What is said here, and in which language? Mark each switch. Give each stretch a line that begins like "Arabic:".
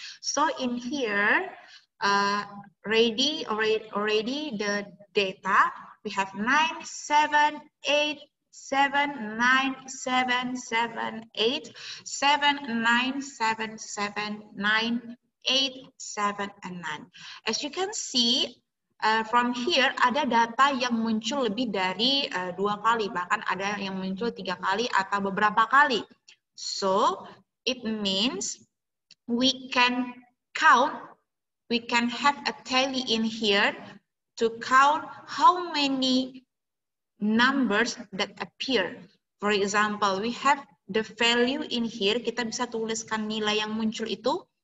English: So in here already the data we have 9 7 8 7 9 7 7 8 7 9 7 7 9 8 7 and 9. As you can see from here
Indonesian: ada data yang muncul lebih dari 2 kali, bahkan ada yang muncul 3 kali atau beberapa kali.
English: So it means we can count, we can have a tally in here to count how many numbers that appear. For example, we have the value in here,
Indonesian: kita bisa tuliskan nilai yang muncul itu.